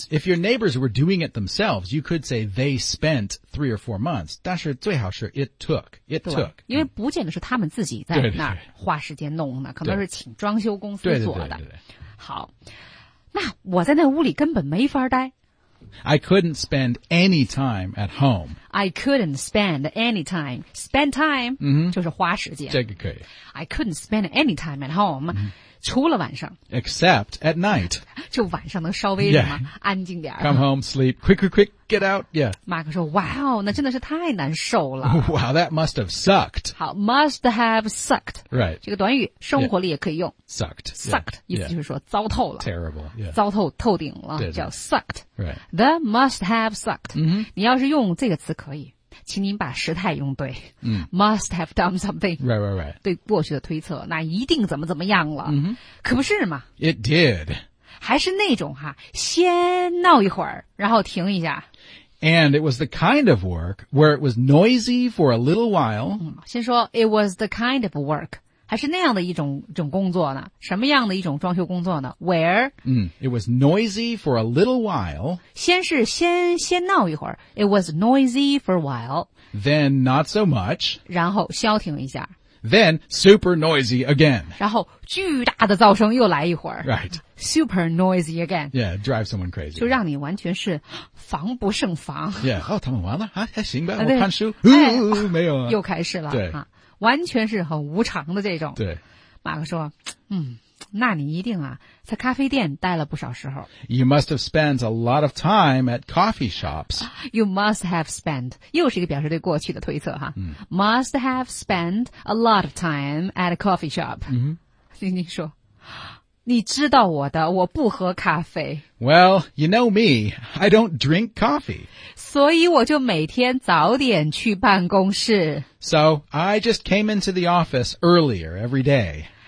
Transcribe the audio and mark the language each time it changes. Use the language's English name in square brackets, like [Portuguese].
[English] If your neighbors were doing it themselves, you could say they spent 3 or 4 months. [Chinese] 但是最好是 [English] it took. It took. [Chinese] 因为不见得是他们自己在那儿花时间弄的，可能是请装修公司做的。对对对对对。好。那我在那屋里根本没法待。 [English] I couldn't spend any time at home. I couldn't spend any time. Spend time,、 mm-hmm. [Chinese] 就是花时间。这个可以。 [English] I couldn't spend any time at home,、mm-hmm. [Chinese] 除了晚上。 [English] Except at night. [Chinese] 就晚上能稍微什么、yeah. 安静点。 [English] Come home, sleep. Quick, quick, quick, get out. Yeah. [Chinese] 马克说 wow, 那真的是太难受了。 [English] Wow, that must have sucked. 好 must have sucked. Right. [Chinese] 这个短语生活里也可以用。 [English] Yeah. Sucked. Sucked,、 yeah. [Chinese] 意思就是说糟透了。 [English] Terrible.、Yeah. [Chinese] 糟透透顶了。 [English] Did、 [Chinese] 叫 sucked. [English] Right. The must have sucked.、 Mm-hmm. [Chinese] 你要是用这个词可以。请您把时态用对、 mm. [English] Must have done something right, right, right. [Chinese] 对过去的推测那一定怎么怎么样了、 mm-hmm. 可不是嘛 [English] It did [Chinese] 还是那种哈先闹一会儿然后停一下 [English] And it was the kind of work where it was noisy for a little while、 [Chinese] 嗯、先说 [English] It was the kind of work [Chinese] 还是那样的一种工作呢什么样的一种装修工作呢 Where、 [English] mm. It was noisy for a little while [Chinese] 先闹一会儿 [English] It was noisy for a while Then not so much [Chinese] 然后消停一下 [English] Then super noisy again [Chinese] 然后巨大的噪声又来一会儿 [English] Right Super noisy again Yeah, drive someone crazy [Chinese] 就让你完全是防不胜防 Yeah, 哦、oh, 他们完了、啊、还行吧我看书、哎哦、没有啊又开始了对、啊、完全是很无常的这种对马克说那你一定啊在咖啡店待了不少时候。 [English] You must have spent a lot of time at coffee shops. You must have spent, [Chinese] 又是一个表示对过去的推测哈。嗯、 [English] must have spent a lot of time at a coffee shop.、嗯、 [Chinese] 丁丁说你知道我的我不喝咖啡。 [English] Well, you know me, I don't drink coffee. [Chinese] 所以我就每天早点去办公室。 [English] So, I just came into the office earlier every day.